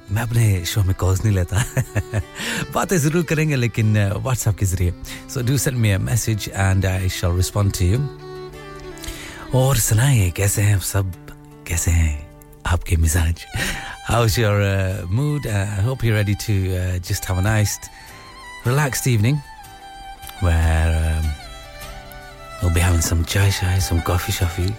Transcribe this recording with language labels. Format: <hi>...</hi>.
<hi>मैं अपने शो में कॉल्स नहीं लेता. बातें जरूर करेंगे लेकिन WhatsApp के जरिए.</hi> <en>So do send me a message and I shall respond to you.</en> <hi>और सुनाइए कैसे हैं सब कैसे हैं आपके मिजाज.</hi> <en>How's your mood? I hope you're ready to just have a nice, relaxed evening where we'll be having some chai chai, some coffee shoffy.</en>